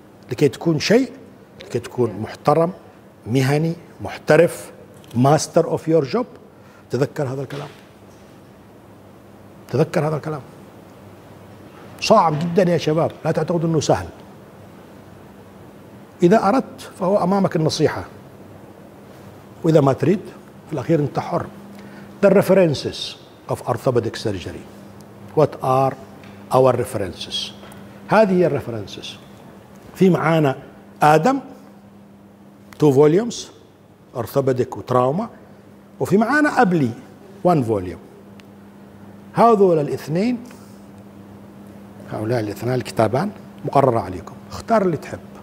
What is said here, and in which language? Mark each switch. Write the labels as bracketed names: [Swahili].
[Arabic] لكي تكون شيء، لكي تكون محترم مهني محترف [English] master of your job, [Arabic] تذكر هذا الكلام، تذكر هذا الكلام. صعب جدا يا شباب، لا تعتقد انه سهل. اذا اردت فهو امامك النصيحه، واذا ما تريد في الاخير انت حر. [English] The references of orthopedic surgery. What are our references? [Arabic] هذه هي references. في معانا آدم [English] two volumes orthopedic [Arabic] وتراوما, وفي معانا أبلي [English] one volume. [Arabic] هذول الاثنين, هؤلاء الاثنان الكتابان مقررة عليكم, اختار اللي تحب.